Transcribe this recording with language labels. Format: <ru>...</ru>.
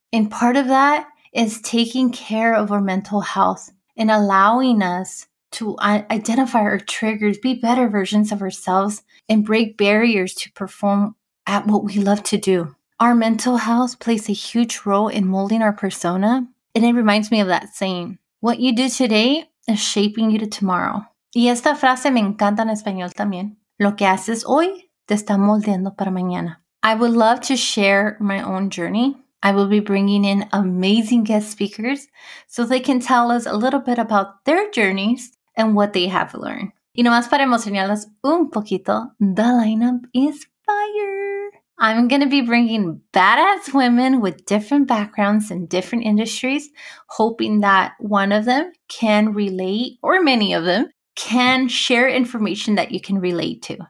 <en>And part of that is taking care of our mental health and allowing us to identify our triggers, be better versions of ourselves, and break barriers to perform at what we love to do. Our mental health plays a huge role in molding our persona. And it reminds me of that saying, what you do today is shaping you to tomorrow.</en> <es>Y esta frase me encanta en español también. Lo que haces hoy te está moldeando para mañana.</es> <en>I would love to share my own journey. I will be bringing in amazing guest speakers so they can tell us a little bit about their journeys and what they have learned.</en> <es>Y nomás para emocionarlos un poquito,</es> <en>the lineup is fire. I'm going to be bringing badass women with different backgrounds and different industries, hoping that one of them can relate, or many of them, can share information that you can relate to.</en>